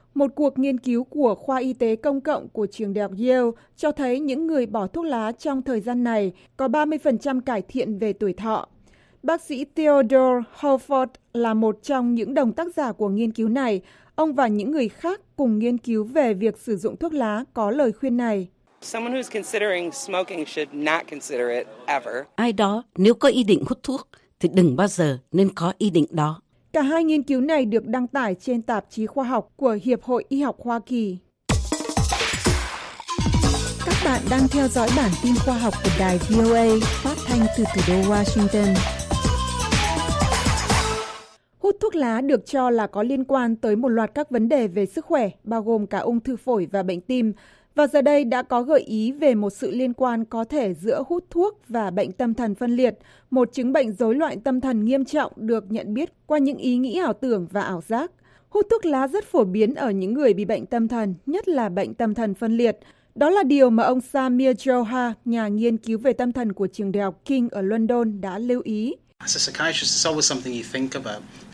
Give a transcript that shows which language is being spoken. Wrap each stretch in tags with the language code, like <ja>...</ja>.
<vi>Một cuộc nghiên cứu của Khoa Y tế Công cộng của trường Đại học Yale cho thấy những người bỏ thuốc lá trong thời gian này có 30% cải thiện về tuổi thọ. Bác sĩ Theodore Holford là một trong những đồng tác giả của nghiên cứu này. Ông và những người khác cùng nghiên cứu về việc sử dụng thuốc lá có lời khuyên này.</vi> <en>Someone who's considering smoking should not consider it ever.</en> <vi>Ai đó nếu có ý định hút thuốc thì đừng bao giờ nên có ý định đó. Cả hai nghiên cứu này được đăng tải trên tạp chí khoa học của Hiệp hội Y học Hoa Kỳ. Các bạn đang theo dõi bản tin khoa học của đài VOA phát thanh từ thủ đô Washington. Hút thuốc lá được cho là có liên quan tới một loạt các vấn đề về sức khỏe, bao gồm cả ung thư phổi và bệnh tim. Và giờ đây đã có gợi ý về một sự liên quan có thể giữa hút thuốc và bệnh tâm thần phân liệt, một chứng bệnh rối loạn tâm thần nghiêm trọng được nhận biết qua những ý nghĩ ảo tưởng và ảo giác. Hút thuốc lá rất phổ biến ở những người bị bệnh tâm thần, nhất là bệnh tâm thần phân liệt. Đó là điều mà ông Samir Joha, nhà nghiên cứu về tâm thần của trường Đại học King ở London đã lưu ý.</vi> <en>As a psychiatrist, it's always something you think about.</en>